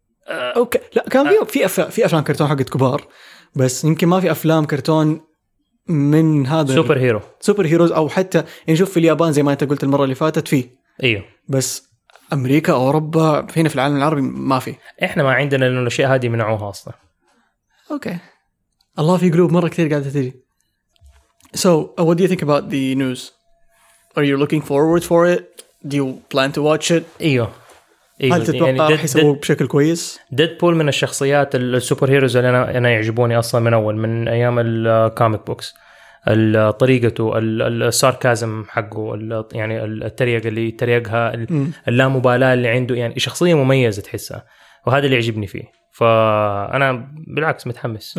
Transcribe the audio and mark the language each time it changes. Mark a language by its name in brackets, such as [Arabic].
[Arabic] اوكي لا كان في افلام كرتون حقت كبار بس يمكن ما في افلام كرتون من هذا سوبر هيرو سوبر هيروز او حتى نشوف في اليابان زي ما انت قلت المره اللي فاتت فيه. ايوه بس امريكا او اوروبا هنا في العالم العربي ما في. احنا ما عندنا لانه الاشياء هذه منعوها اصلا. اوكي الله في قلوب مره كثير قاعده تجي. [English] So what do you think about the news? Are you looking forward for it? Do you plan to watch it? [Arabic] ايوه هل تتوقع يعني راح يسووه بشكل كويس؟ ديدبول من الشخصيات السوبر هيروز اللي انا يعجبوني اصلا من اول من ايام الكوميك بوكس. طريقته الساركازم حقه يعني التريق اللي تريقها اللامبالاة اللي عنده يعني شخصية مميزة تحسها وهذا اللي عجبني فيه فأنا بالعكس متحمس.